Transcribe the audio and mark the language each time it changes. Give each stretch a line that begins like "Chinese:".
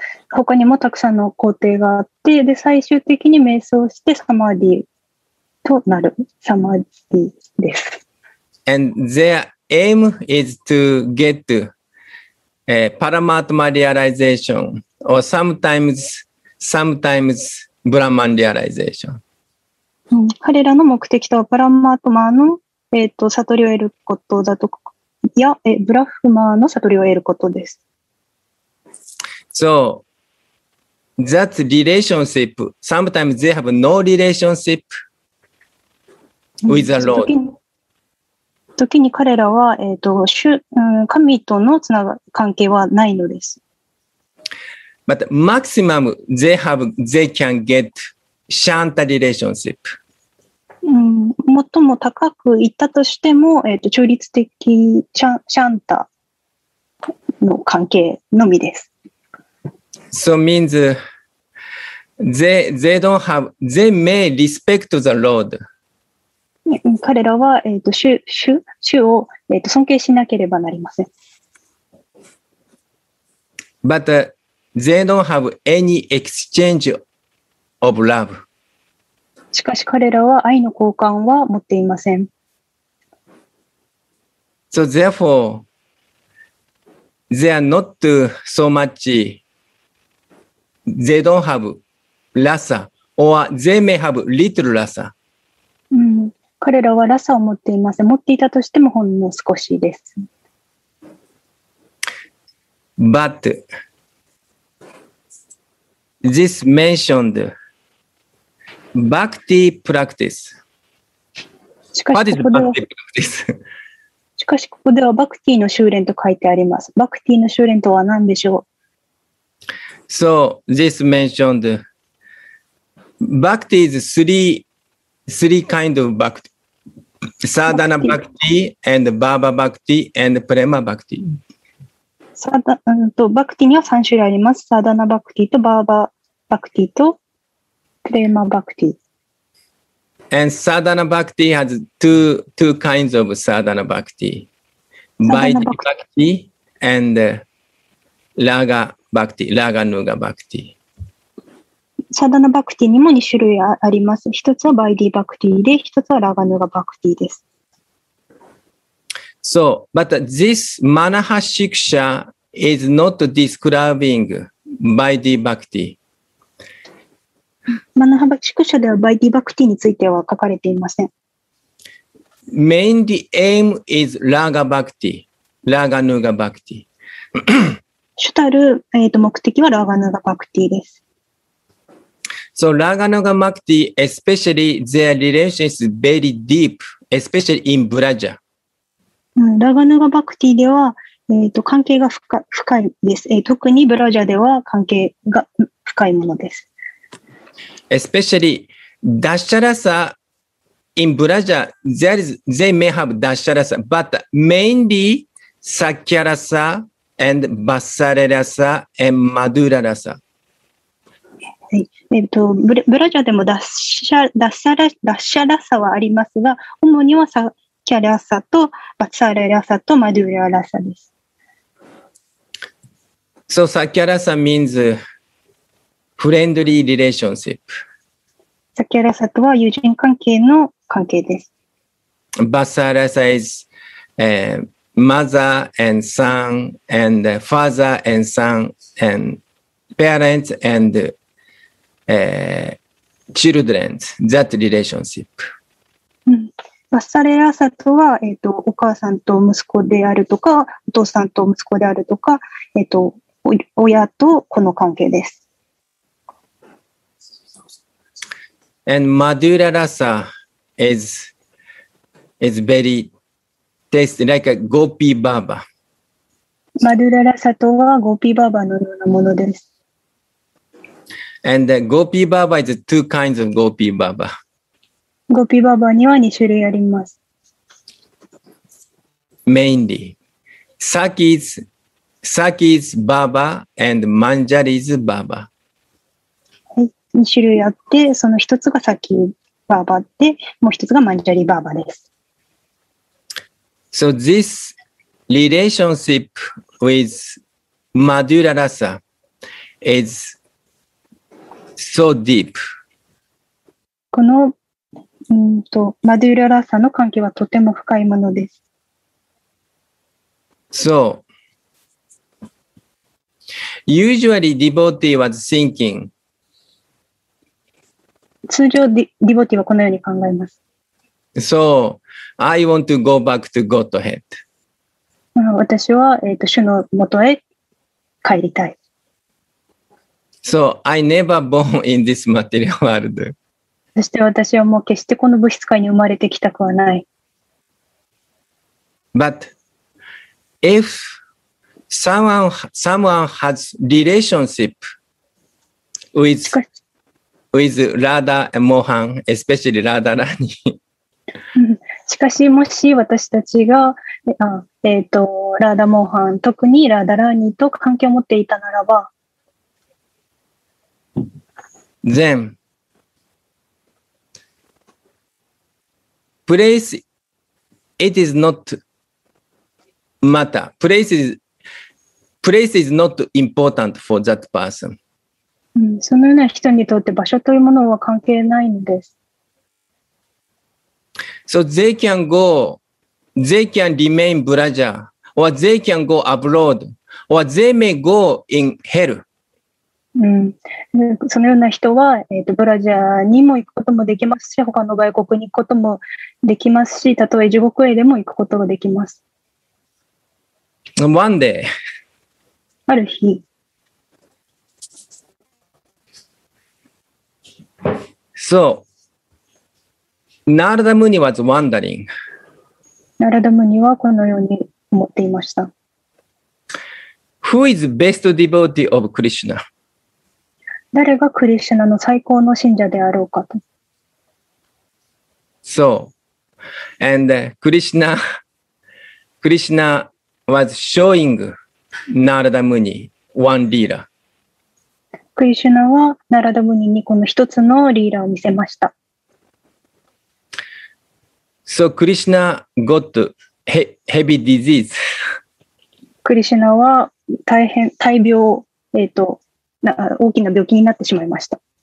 Japanese: 他にもたくさんの工程があって、で、最終的に瞑想してサマーディとなる、サマーディです。
English: And their aim is to get Paramatma realization or sometimes Brahman realization.
Japanese: 彼らの目的とはパラマートマの、悟りを得ることだとか、いや、ブラフマの悟りを得ることです。
English: So, that's relationship. Sometimes they have no relationship with the Lord.
Japanese: 時に彼らは、神とのつながる関係はないのです。
English: But maximum they can get Shanta relationship.
Japanese: 最も高くいったとしても、中立的シャンタの関係のみです。
English: So means they may respect the Lord.
Japanese: 彼らは、主を、尊敬しなければなりません。
English: But they don't have any exchange of love.
Japanese: しかし彼らは愛の交換は持っていません。
English: So therefore, they are not so much. They don't have rasa, or they may have little rasa.
Japanese: 彼らはラサを持っていません。持っていたとしてもほんの少しです。
English: But this mentioned bhakti practice. What is bhakti practice?
Japanese: しかしここではバクティの修練と書いてあります。バクティの修練とは何でしょう？
English: So, this mentioned bhakti is three kind of bhakti. Sadhana bhakti and Baba bhakti and Prema bhakti.
Japanese: バクティには3種類あります。 Sadhana bhakti と Baba bhakti と Prema bhakti。
English: And sadhana bhakti has two kinds of sadhana bhakti. Vaidhi bhakti and raga bhakti, raga nuga bhakti.
Japanese: Sadhana bhakti にも2種類あります。1つは Vaidhi bhakti で、1つは raga nuga bhakti です。
English: So, but this manaha shiksha is not describing Vaidhi bhakti.
Japanese: マナハバシクシャではバイディバクティについては書かれていません。
English: メインディエイムイズラガバクティ、ラガヌガバクティ。
Japanese: 主たる、目的はラガヌガバクティです。
English: So, ラガヌガバクティ、especially their relations is very deep, especially in ブラジャ。
Japanese: ラガヌガバクティでは、関係が深いです。特にブラジャでは関係が深いものです。
English: Especially dasharasa in Braja, they may have dasharasa, but mainly sakyarasa and basarerasa and madurarasa.
Japanese: Braja でも dasharasa はありますが、主にはsakyarasa と basarerasa と madurarasa です。
English: So sakyarasa means friendly relationship.
Japanese: サキャラサとは友人関係の関係です。
English: バサラサ is mother and son and father and son and parents and children, that relationship.
Japanese: バサラサとは、お母さんと息子であるとか、お父さんと息子であるとか、親と子の関係です。
English: And madura rasa is very tasty, like a gopi baba.
Japanese: Madura rasa とはゴピーバーバーのようなものです。
English: And gopi baba is two kinds of gopi baba.
Japanese: Gopi baba には2種類あります。
English: Mainly, Saki's baba and Manjari's baba.
Japanese: 2種類あって、その一つがサキバーバーで、もう一つがマンジャリバーバーです。
English: So this relationship with Madura Rasa is so deep.
Japanese: この、Madura Rasa の関係はとても深いものです。
English: So, usually devotee was thinking,
Japanese: 通常ディボティはこのように考えます。
English: So, I want to go back to Godhead.
Japanese: 私は、主のもとへ帰りたい。
English: So, I never born in this material world.
Japanese: そして私はもう決してこの物質界に生まれてきたくはない。
English: But, if someone has relationship with Radha and Mohan, especially Radha Rani.
Japanese: しかしもし私たちが、Radha Mohan, 特に Radha Rani と関係を持っていたならば、
English: then, place, it is not matter. Place is not important for that person.
Japanese: そのような人にとって場所というものは関係ないんです。
English: So they can go, they can remain Braja, or they can go abroad, or they may go in hell.
Japanese: そのような人は、Braja にも行くこともできますし、他の外国に行くこともできますし、たとえ地獄へでも行くことができます。
English: One day.
Japanese: ある日。
English: So, Narada Muni was wondering.
Japanese: Narada Muni はこのように思っていました。
English: Who is the best devotee of Krishna?
Japanese: 誰がクリシュナの最高の信者であろうかと。
English: So, and Krishna, Krishna was showing Narada Muni one leader.
Japanese: クリシュナはナラダムニにこの一つのリーラーを見せました。
English: So, Krishna got heavy disease.
Japanese: クリシュナは大変、大病、大きな病気になってしまいました。